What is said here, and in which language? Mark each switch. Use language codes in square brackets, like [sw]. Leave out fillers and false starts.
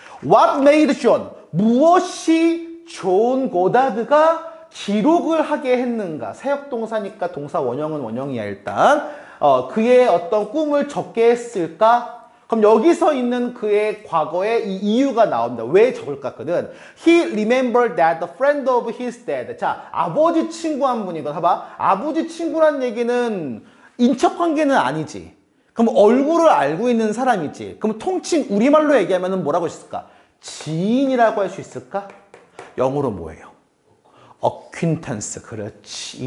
[en] What made John? [ko] 무엇이 존 고다드가 기록을 하게 했는가? 사역동사니까 동사 원형은 원형이야 일단. 그의 어떤 꿈을 적게 했을까? 그럼 여기서 있는 그의 과거의 이 이유가 나옵니다. 왜 적을까? 그는 [en] He remembered that the friend of his dad. [ko] 자, 아버지 친구 한 분이 이건 봐봐. 아버지 친구란 얘기는 인척 관계는 아니지. 그럼 얼굴을 알고 있는 사람이지. 그럼 통칭 우리말로 얘기하면 뭐라고 할 수 있을까? 지인이라고 할 수 있을까? 영어로 뭐예요? acquaintance. 그렇지.